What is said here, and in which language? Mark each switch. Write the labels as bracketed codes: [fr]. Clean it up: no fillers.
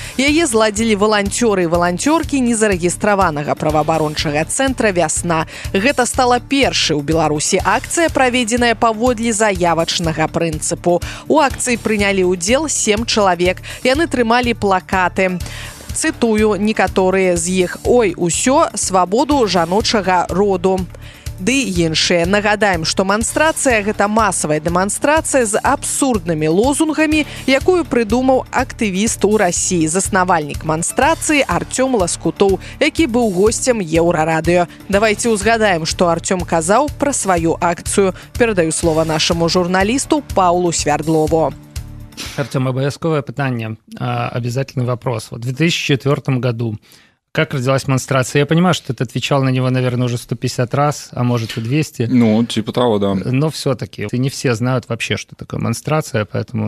[be] Яе зладзілі валанцёры і валанцёркі незарэгістраванага праваабарончага цэнтра «Вясна». Гэта стала першай у Беларусі акцыя, праведзеная паводле заявачнага прынцыпу. У акцыі прынялі ўдзел 7 чалавек. Яны трымалі плакаты. Цытую некаторыя з іх. Ой, усё, свабоду жаночага роду. Ды іншыя. Нагадаем, што манстрацыя – гэта масавая дэманстрацыя з абсурднымі лозунгамі, якую прыдумаў актывіст у Расіі, заснавальнік манстрацыі Артём Ласкутоў, які быў гостем Еўрарадыё. Давайце ўзгадаем, што Артём казаў пра сваю акцыю. Перадаю слова нашаму журналісту Паўлу Свярдлову. [ru] Артём, обовязковое питание, обязательный вопрос. Вот в 2004 году как родилась монстрация? Я понимаю, что ты отвечал на него, наверное, уже 150 раз, а может и 200. Ну, типа того, да. Но все-таки не все знают вообще, что такое монстрация, поэтому...